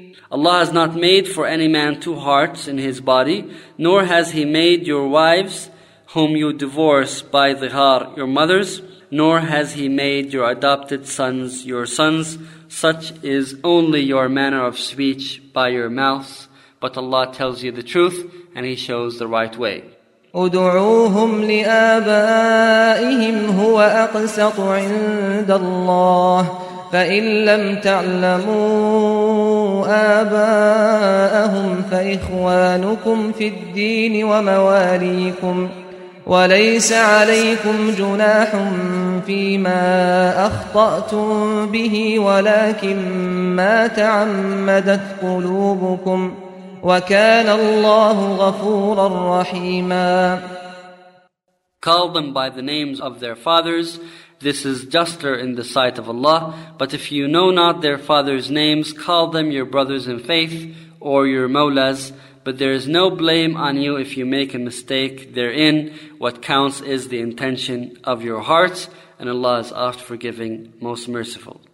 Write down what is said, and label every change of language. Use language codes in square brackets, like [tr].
[en] Allah has not made for any man two hearts in his body, nor has He made your wives, whom you divorce by dhihar, your mothers, nor has He made your adopted sons your sons. Such is only your manner of speech by your mouth, but Allah tells you the truth, and He shows the right way. [ar] ادعوهم لآبائهم هو أقسط عند الله فإن لم تعلموا آباءهم فإخوانكم في الدين ومواليكم وليس عليكم جناح فيما أخطأتم به ولكن ما تعمدت قلوبكم وَكَانَ اللَّهُ غَفُورًا رَّحِيمًا. [en] Call them by the names of their fathers. This is juster in the sight of Allah. But if you know not their fathers' names, call them your brothers in faith or your mawlas. But there is no blame on you if you make a mistake therein. What counts is the intention of your hearts, and Allah is oft forgiving, most merciful.